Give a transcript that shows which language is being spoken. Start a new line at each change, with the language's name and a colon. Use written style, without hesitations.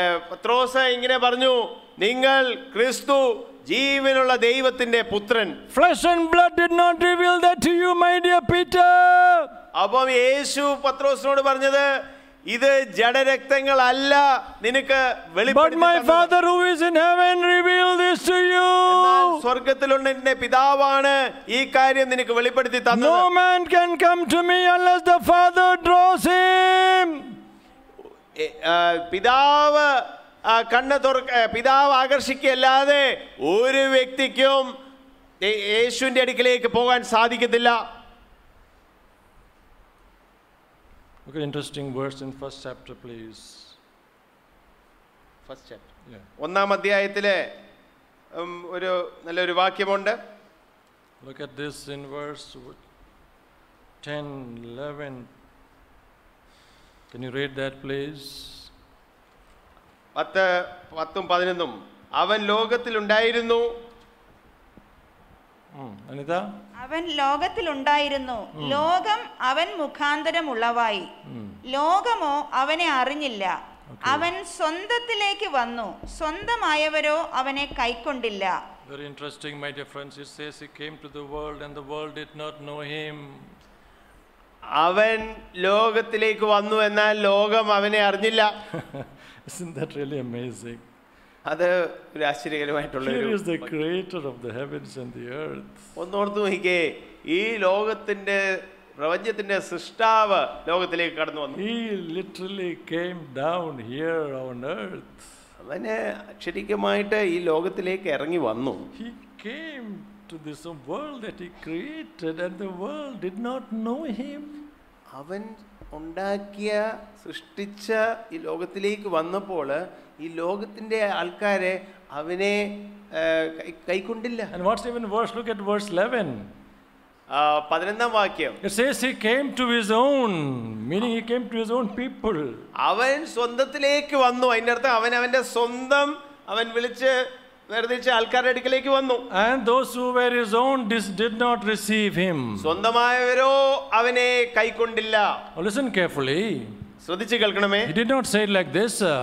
Malayalam: പത്രോസ് ഇങ്ങനെ പറഞ്ഞു, "നിങ്ങൾ ക്രിസ്തു ജീവനുള്ള ദൈവത്തിന്റെ പുത്രൻ."
English: Flesh and blood did not reveal that to you, my dear Peter.
Malayalam: അപ്പോൾ യേശു പത്രോസിനോട് പറഞ്ഞു, "ഇത് ജഡരക്തങ്ങളല്ല നിനക്ക് വെളിപ്പെടുത്തി തന്നത്."
English: But my Father who is in heaven revealed this to you.
Malayalam: സ്വർഗ്ഗത്തിലുള്ള എൻ്റെ പിതാവാണ് ഈ കാര്യം നിനക്ക് വെളിപ്പെടുത്തി തന്നത്.
English: No man can come to me unless the Father draws him.
Malayalam: പിതാവ് കണ്ണ് തുറക്ക പിതാവ് ആകർഷിക്കല്ലാതെ ഒരു വ്യക്തിക്കും യേശുവിന്റെ അടുക്കലേക്ക് പോകാൻ സാധിക്കത്തില്ല.
English: Okay, interesting verse in first chapter, please. First chapter. Yeah.
Malayalam: ഒന്നാം അധ്യായത്തിലെ ഒരു നല്ലൊരു വാക്യമുണ്ട്.
English: Look at this in verse 10-11. Can you read that, please?
Malayalam: 10-11. അവൻ ലോകത്തിൽ ഉണ്ടായിരുന്നു. അനിത, അവൻ ലോകത്തിൽ ഉണ്ടായിരുന്നു, ലോകം അവൻ മുഖാന്തരം ഉള്ളവായി, ലോകമോ അവനെ അറിഞ്ഞില്ല. അവൻ സ്വന്തത്തിലേക്ക് വന്നു, സ്വന്തമായവരോ അവനെ കൈക്കൊണ്ടില്ല.
English: Very interesting, my dear friends. It says he came to the world and the world did not know him.
Malayalam: അവൻ ലോകത്തിലേക്ക് വന്നു എന്നാൽ ലോകം അവനെ അറിഞ്ഞില്ല.
English: Isn't that really amazing?
Malayalam: അത് ഒരു ആശ്ചര്യകരമായിട്ടുള്ള ഒരു.
English: He is the creator of the heavens and the earth.
Malayalam: ഒന്നോർത്തു നോക്കിക്കേ, ഈ ലോകത്തിന്റെ പ്രപഞ്ചത്തിന്റെ സൃഷ്ടാവ് ലോകത്തിലേക്ക് കടന്നു വന്നു.
English: He literally came down here on earth.
Malayalam: അവനെ ശരിക്കുമായിട്ട് ഈ ലോകത്തിലേക്ക് ഇറങ്ങി വന്നു.
English: He came to this world that he created and the world did not know him.
Malayalam: അവൻ ഉണ്ടാക്കിയ സൃഷ്ടിച്ച ഈ ലോകത്തിലേക്ക് വന്നപ്പോൾ ഈ ലോകത്തിന്റെ ആൾക്കാരെ അവനെ കൈക്കൊണ്ടില്ല.
English: And what's even worse, look at verse 11.
Malayalam: 11th വാക്യം.
English: It says he came to his own, meaning he came to his own people.
Malayalam: അവൻ സ്വന്തത്തിലേക്ക് വന്നു. അതിന്റെ അർത്ഥം അവൻ അവന്റെ സ്വന്തം അവൻ വിളിച്ച് വേർതിരിച്ച ആൾക്കാരുടെ അടുക്കലേക്ക് വന്നു.
English: And those who were his own did not receive him.
Malayalam: സ്വന്തമായവരോ അവനെ കൈക്കൊണ്ടില്ല.
English: Listen carefully.
Malayalam: ശ്രദ്ധിച്ച് കേൾക്കണമേ.
English: He did not say it like this.